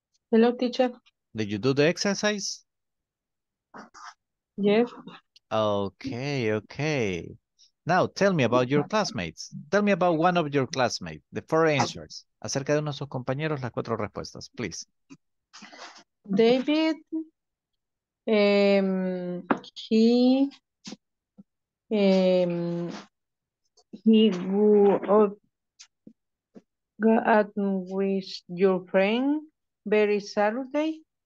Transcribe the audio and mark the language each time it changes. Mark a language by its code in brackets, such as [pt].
[en] Hello, teacher. Did you do the exercise? Yes. Okay, okay. Now, tell me about your classmates. Tell me about one of your classmates, the four answers. [es] Acerca de uno de sus compañeros, las cuatro respuestas, [en] please. David, he go out with your friend very Saturday.